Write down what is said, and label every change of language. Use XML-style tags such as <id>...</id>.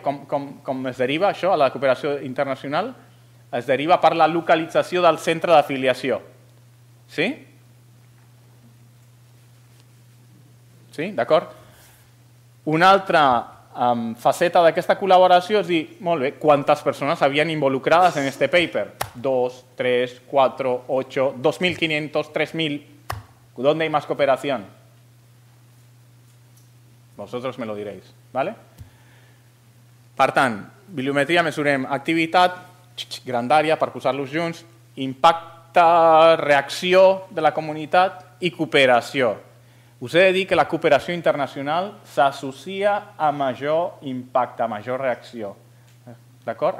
<ca>Com es deriva això a la cooperació internacional? Es deriva per la localització del centre d'afiliació. Sí? Sí? D'acord? Una altra faceta d'aquesta col·laboració és dir, molt bé, quantes persones havien involucrades en este paper? 2, 3, 4, 8, 2.500, 3.000.</ca> <es>¿Dónde hay más cooperación? Vosotros me lo diréis, ¿vale?</es> <ca>Per tant, bibliometria, mesurem activitat, grandària, per posar-los junts, impacte, reacció de la comunitat i cooperació. Us he de dir que la cooperació internacional s'associa a major impacte, a major reacció, d'acord?</ca>